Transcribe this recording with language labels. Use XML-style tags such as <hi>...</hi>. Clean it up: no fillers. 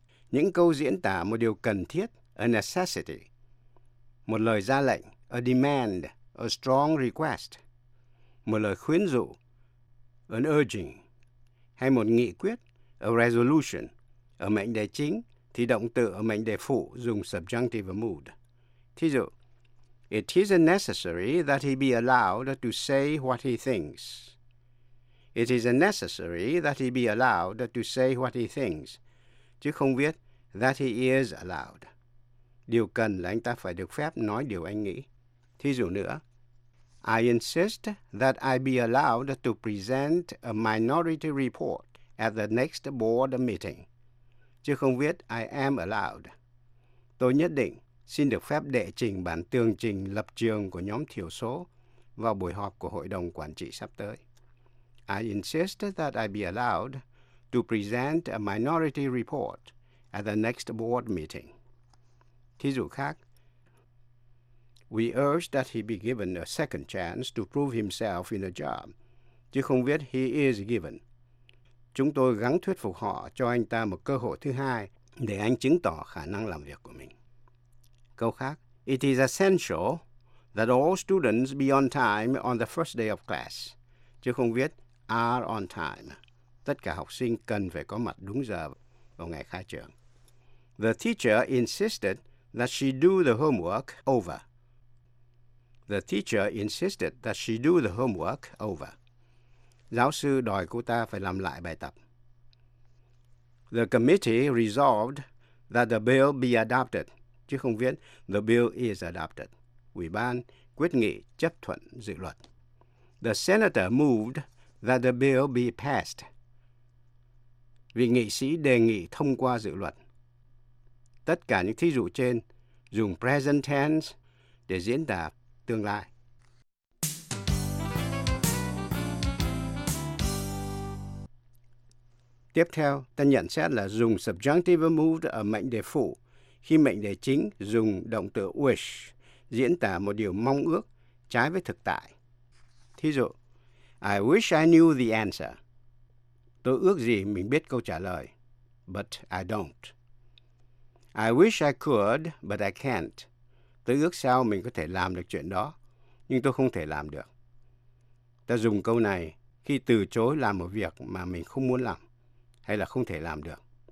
<vi>Những câu diễn tả một điều cần thiết,</vi> <en>a necessity,</en> <vi>một lời ra lệnh,</vi> <en>a demand, a strong request,</en> <vi>một lời khuyến dụ,</vi> <en>an urging,</en> <vi>hay một nghị quyết,</vi> <en>a resolution,</en> <vi>ở mệnh đề chính thì động từ ở mệnh đề phụ dùng subjunctive mood. Thí dụ,</vi> <en>it isn't necessary that he be allowed to say what he thinks. It isn't necessary that he be allowed to say what he thinks.</en> <vi>Chứ không viết</vi> <en>that he is allowed.</en> <vi>Điều cần là anh ta phải được phép nói điều anh nghĩ. Thí dụ nữa,</vi> <en>I insist that I be allowed to present a minority report at the next board meeting.</en> <vi>Chứ không viết</vi> <en>I am allowed.</en> <vi>Tôi nhất định xin được phép đệ trình bản tường trình lập trường của nhóm thiểu số vào buổi họp của hội đồng quản trị sắp tới.</vi> <en>I insist that I be allowed to present a minority report at the next board meeting.</en> <vi>Thí dụ khác,</vi> <en>we urge that he be given a second chance to prove himself in a job.</en> <vi>Chứ không viết</vi> <en>he is given.</en> <vi>Chúng tôi gắng thuyết phục họ cho anh ta một cơ hội thứ hai để anh chứng tỏ khả năng làm việc của mình. Câu khác,</vi> <en>it is essential that all students be on time on the first day of class.</en> <vi>Chứ không viết</vi> <en>are on time.</en> <vi>Tất cả học sinh cần phải có mặt đúng giờ vào ngày khai trường.</vi> <en>The teacher insisted that she do the homework over. The teacher insisted that she do the homework over.</en> <vi>Giáo sư đòi cô ta phải làm lại bài tập.</vi> <en>The committee resolved that the bill be adopted.</en> <vi>Chứ không viết</vi> <en>the bill is adopted.</en> <vi>Ủy ban quyết nghị chấp thuận dự luật.</vi> <en>The senator moved that the bill be passed.</en> <vi>Vị nghị sĩ đề nghị thông qua dự luật. Tất cả những thí dụ trên dùng present tense để diễn tả tương lai. Tiếp theo, ta nhận xét là dùng subjunctive moved ở mệnh đề phụ khi mệnh đề chính dùng động từ wish diễn tả một điều mong ước trái với thực tại. Thí dụ,</vi> <en>I wish I knew the answer.</en> <vi>Tôi ước gì mình biết câu trả lời.</vi> <en>But I don't. I wish I could, but I can't.</en> <vi>Tôi ước sao mình có thể làm được chuyện đó, nhưng tôi không thể làm được. Ta dùng câu này khi từ chối làm một việc mà mình không muốn làm, hay là không thể làm được.</vi>